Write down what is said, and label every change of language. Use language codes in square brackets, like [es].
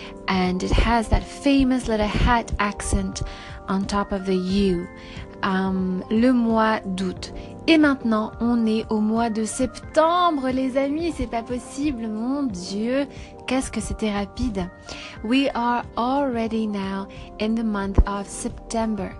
[en] And it has that famous little hat accent on top of the U. [fr] Le mois d'août. Et maintenant, on est au mois de septembre, les amis. C'est pas possible, mon Dieu. Qu'est-ce que c'était rapide. [en] We are already now in the month of September.